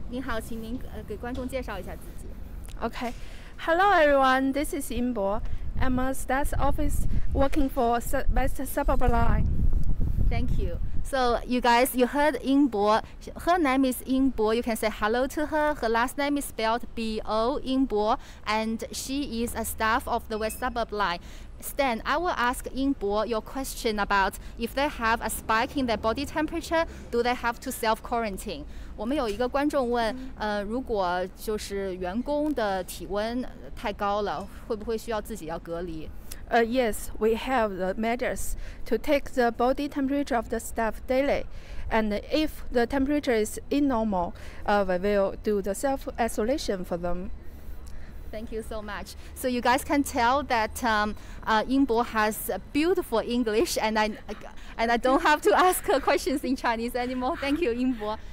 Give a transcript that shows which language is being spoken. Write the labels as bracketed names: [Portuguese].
[Chinese] 您好，请您给观众介绍一下自己。 [English] Okay. Hello, everyone. This is Yinbo. I'm a staff office working for West Suburb Line. Thank you. So, you guys, you heard Yinbo. Her name is Yinbo. You can say hello to her. Her last name is spelled B-O, Yinbo, and she is a staff of the West Suburb Line. Stan, I will ask Yinbo your question about if they have a spike in their body temperature, do they have to self-quarantine? [Chinese] 我们有一个观众问，如果就是员工的体温太高了，会不会需要自己要隔离？ [English] Yes, we have the measures to take the body temperature of the staff daily. And if the temperature is abnormal, we will do the self-isolation for them. Thank you so much. So you guys can tell that Yinbo has beautiful English, and I don't have to ask her questions in Chinese anymore. Thank you, Yinbo.